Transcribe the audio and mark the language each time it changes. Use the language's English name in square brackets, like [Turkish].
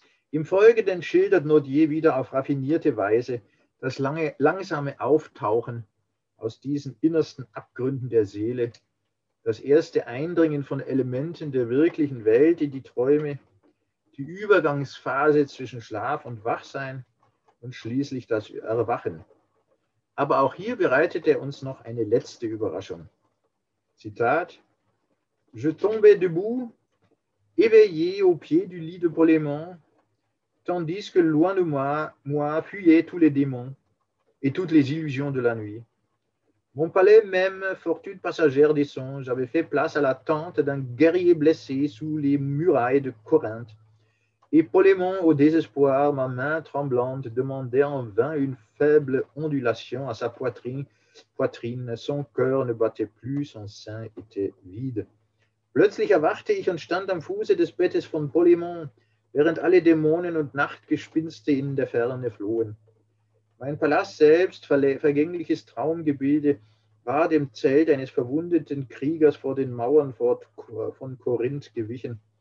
[German] Im Folgenden schildert Nodier wieder auf raffinierte Weise das langsame Auftauchen aus diesen innersten Abgründen der Seele, das erste Eindringen von Elementen der wirklichen Welt in die Träume, die Übergangsphase zwischen Schlaf und Wachsein und schließlich das Erwachen. Aber auch hier bereitet er uns noch eine letzte Überraschung. [French] Zitat: Je tombais debout, éveillé au pied du lit de Polémon, tandis que loin de moi fuyaient tous les démons et toutes les illusions de la nuit. Mon palais même, fortune passagère des songes, avait fait place à la tente d'un guerrier blessé sous les murailles de Corinthe, Et Polémon, au désespoir, ma main tremblante, demandait en vain une faible ondulation à sa poitrine. Son cœur ne battait plus, son sein était vide. [German] Plötzlich erwachte ich und stand am Fuße des Bettes von Polémon, während alle Dämonen und Nachtgespinste in der Ferne flohen. Mein Palast selbst, vergängliches Traumgebilde, war dem Zelt eines verwundeten Kriegers vor den Mauern von Korinth gewichen.